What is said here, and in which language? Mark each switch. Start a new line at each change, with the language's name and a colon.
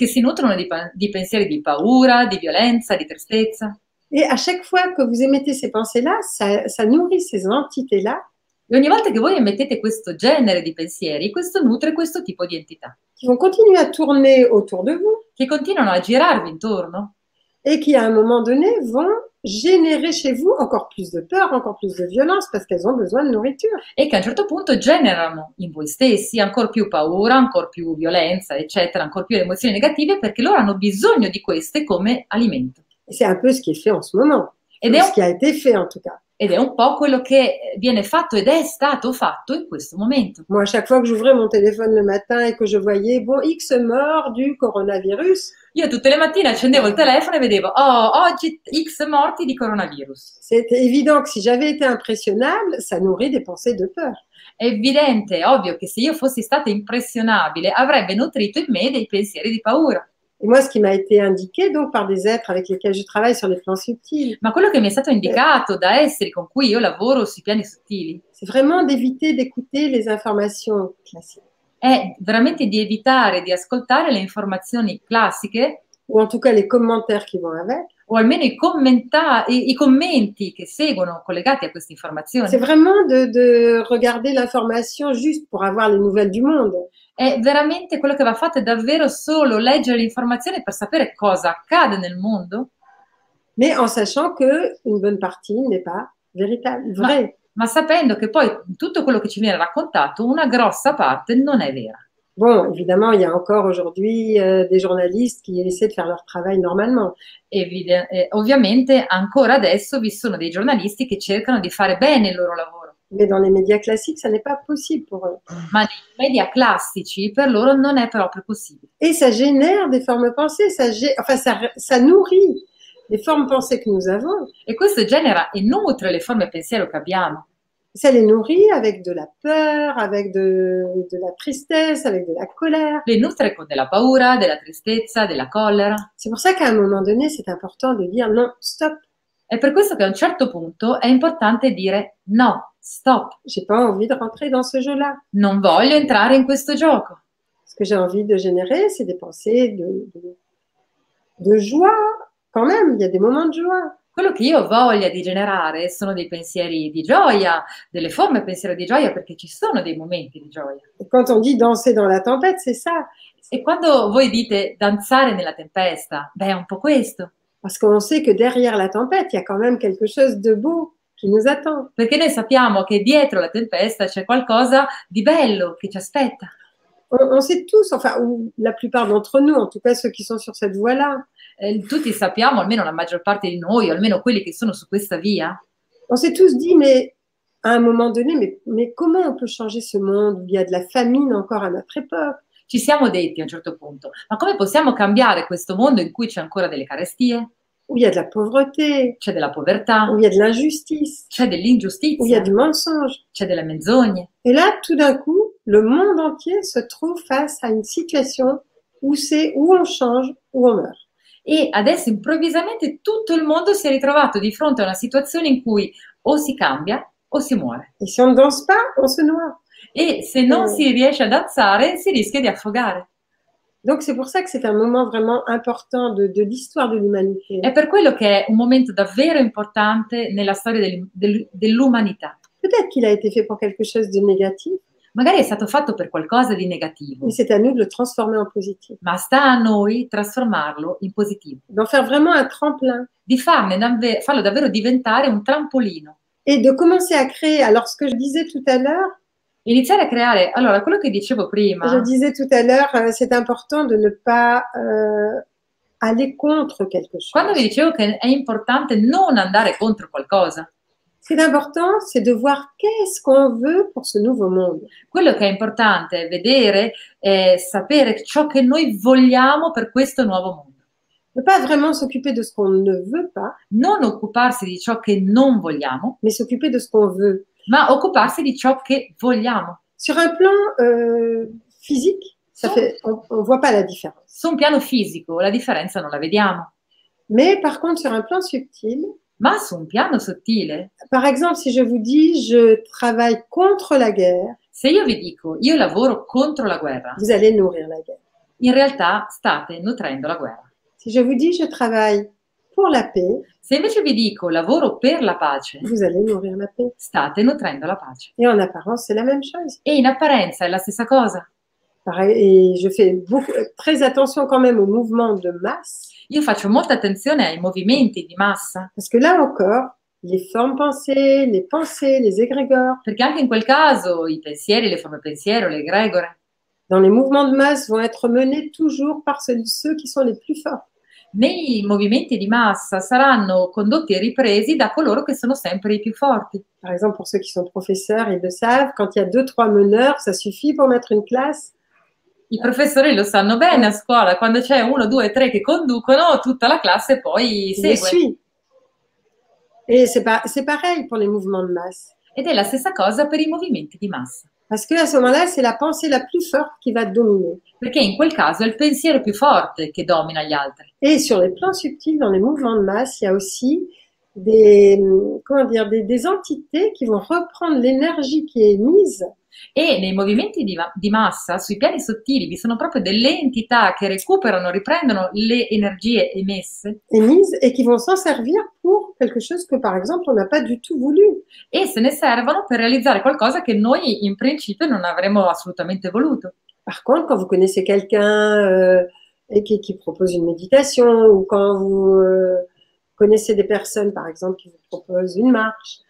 Italian: Che si nutrono di pensieri di paura, di violenza, di tristezza.
French: Et à chaque fois que vous émettez ces pensées-là, ça nourrit ces entités-là.
Italian: E ogni volta che voi emettete questo genere di pensieri, questo nutre questo tipo di entità.
French: Qui vont continuer à tourner autour de vous.
Italian: Che continuano a girarvi intorno.
French: Et qui, à un moment donné, vont générer chez vous encore plus de peur, encore plus de violence, parce qu'elles ont besoin de nourriture.
Italian: E che a un certo punto generano in voi stessi ancora più paura, ancora più violenza, eccetera, ancora più emozioni negative, perché loro hanno bisogno di queste come alimento.
French: C'est un peu ce qui est fait en ce moment. Ce qui a été fait en tout cas.
Italian: Ed è un po' quello che viene fatto ed è stato fatto in questo momento.
French: Moi, à chaque fois que j'ouvrais mon téléphone le matin et que je voyais bon X mort du coronavirus.
Italian: Io tutte le mattine accendevo il telefono e vedevo oh, oggi X morti di coronavirus.
French: C'est évident que si j'avais été impressionnable, ça nourrit des pensées de peur.
Italian: È evidente, ovvio che se io fossi stata impressionabile, avrebbe nutrito in me dei pensieri di paura.
French: Et moi, ce qui m'a été indiqué donc par des êtres avec lesquels je travaille sur les plans subtils.
Italian: Ma quello che mi è stato indicato da esseri con cui io lavoro sui piani sottili.
French: C'est vraiment d'éviter d'écouter les informations classiques.
Italian: È veramente di evitare di ascoltare le informazioni classiche.
French: O en tout cas les commentaires qui vont avec.
Italian: O almeno i commenti che seguono collegati a queste informazioni.
French: C'est vraiment de regarder l'information juste pour avoir les nouvelles du monde.
Italian: È veramente quello che va fatto è davvero solo leggere le informazioni per sapere cosa accade nel mondo.
French: Mais en sachant que une bonne partie n'est pas véritable, vrai.
Italian: Ma sapendo che poi tutto quello che ci viene raccontato, una grossa parte non è vera.
French: Bon, évidemment, il y a encore aujourd'hui des journalistes qui essaient de faire leur travail normalement.
Italian: Ovviamente, ancora adesso vi sono dei giornalisti che cercano di fare bene il loro lavoro.
French: Mais dans les médias classiques, ça n'est pas possible pour eux.
Italian: Ma nei media classici, per loro, non è proprio possibile.
French: Et ça génère des formes pensées, ça nourrit les formes pensées que nous avons.
Italian: E questo genera e nutre le forme pensiero che abbiamo.
French: Ça les nourrit avec de la peur, avec de la tristesse, avec de la colère.
Italian: Le nutre con della paura, della tristezza, della colera.
French: C'est pour ça qu'à un moment donné, c'est important de dire non, stop.
Italian: È per questo che a un certo punto è importante dire no, stop.
French: J'ai pas envie de rentrer dans ce jeu-là.
Italian: Non voglio entrare in questo gioco.
French: Ce que j'ai envie de générer, c'est des pensées de joie. Quand même, il y a des moments de joie.
Italian: Quello che io voglia di generare sono dei pensieri di gioia, delle forme pensiero di gioia, perché ci sono dei momenti di gioia.
French: Quand on dit danser dans la tempête, c'est ça.
Italian: E quando voi dite danzare nella tempesta, beh, è un po' questo.
French: Parce qu'on sait que derrière la tempête, il y a quand même quelque chose de beau qui nous attend.
Italian: Perché noi sappiamo che dietro la tempesta c'è qualcosa di bello che ci aspetta.
French: On sait tous, enfin, ou la plupart d'entre nous, en tout cas ceux qui sont sur cette voie-là.
Italian: Tutti sappiamo, almeno la maggior parte di noi, almeno quelli che sono su questa via.
French: On s'est tous dit, mais à un moment donné, mais comment on peut changer ce monde où il y a de la famine encore à notre époque?
Italian: Ci siamo detti a un certo punto, ma come possiamo cambiare questo mondo in cui c'è ancora delle carestie?
French: Où il y a de la pauvreté.
Italian: C'è della povertà.
French: Où il y a de l'injustice.
Italian: C'è dell'ingiustizia.
French: Où il y a du mensonge.
Italian: C'è delle menzogne.
French: Et là, tout d'un coup, le monde entier se trouve face à une situation où c'est où on change ou on meurt.
Italian: E adesso improvvisamente tutto il mondo si è ritrovato di fronte a una situazione in cui o si cambia o si muore.
French: Et si on ne danse pas, on se noie.
Italian: E se non si riesce ad alzare, si rischia di affogare.
French: Donc c'est pour ça que c'est un moment vraiment important de l'histoire de l'humanité.
Italian: È per quello che è un momento davvero importante nella storia dell'umanità.
French: Peut-être qu'il a été fait pour quelque chose de négatif.
Italian: Magari è stato fatto per qualcosa di negativo.
French: Mais c'est à nous de le transformer en positif.
Italian: Ma sta a noi trasformarlo in positivo.
French: D'en faire vraiment un tremplin.
Italian: Di farlo davvero diventare un trampolino.
French: Et de commencer à créer. Alors ce que je disais tout à l'heure.
Italian: Iniziare a creare. Allora quello che dicevo prima.
French: Je disais tout à l'heure, c'est important de ne pas aller contre quelque chose.
Italian: Quando vi dicevo che è importante non andare contro qualcosa.
French: Ce qui est important, c'est de voir qu'est-ce qu'on veut pour ce nouveau monde.
Italian: Quello che è importante è vedere e sapere ciò che noi vogliamo per questo nuovo mondo.
French: Ne pas vraiment s'occuper de ce qu'on ne veut pas.
Italian: Non occuparsi di ciò che non vogliamo.
French: Mais s'occuper de ce qu'on veut.
Italian: Ma occuparsi di ciò che vogliamo.
French: Sur un plan physique, on voit pas la différence.
Italian: Su un piano fisico, la differenza non la vediamo.
French: Mais par contre, sur un plan subtil.
Italian: Ma su un piano sottile.
French: Par exemple, si je vous dis je travaille contre la guerre.
Italian: Se io vi dico io lavoro contro la guerra.
French: Vous allez nourrir la guerre.
Italian: In realtà state nutrendo la guerra.
French: Si je vous dis je travaille pour la paix.
Italian: Se invece vi dico lavoro per la pace.
French: Vous allez nourrir la paix.
Italian: State nutrendo la pace.
French: Et en apparence c'est la même chose.
Italian: E in apparenza è la stessa cosa.
French: Et je fais beaucoup, très attention quand même au mouvement de masse.
Italian: Io faccio molta attenzione ai movimenti di massa.
French: Parce que là encore, les formes pensées, les égrégores.
Italian: Perché anche in quel caso i pensieri, le forme pensiero, le egregore.
French: Dans les mouvements de masse vont être menés toujours par ceux qui sont les plus forts.
Italian: Nei movimenti di massa saranno condotti e ripresi da coloro che sono sempre i più forti.
French: Par exemple, pour ceux qui sont professeurs, ils le savent, quand il y a deux, trois meneurs, ça suffit pour mettre une classe.
Italian: I professori lo sanno bene a scuola, quando c'è uno, due, tre che conducono, tutta la classe poi segue.
French: E c'est pareil pour les mouvements de masse.
Italian: Ed è la stessa cosa per i movimenti di massa.
French: Parce que à ce moment-là, c'est la pensée la plus forte qui va dominer.
Italian: Perché in quel caso è il pensiero più forte che domina gli altri.
French: Et sur les plans subtils, dans les mouvements de masse, il y a aussi des, comment dire, des entités qui vont reprendre l'énergie qui est mise.
Italian: E nei movimenti di massa, sui piani sottili, vi sono proprio delle entità che recuperano, riprendono le energie emesse.
French: Emise e qui vont s'en servir pour quelque chose que, par exemple, on n'a pas du tout voulu.
Italian: E se ne servono per realizzare qualcosa che noi, in principio, non avremmo assolutamente voluto.
French: Par contre, quand vous connaissez quelqu'un qui propose une méditation, ou quand vous connaissez des personnes, par exemple, qui vous proposent une marche,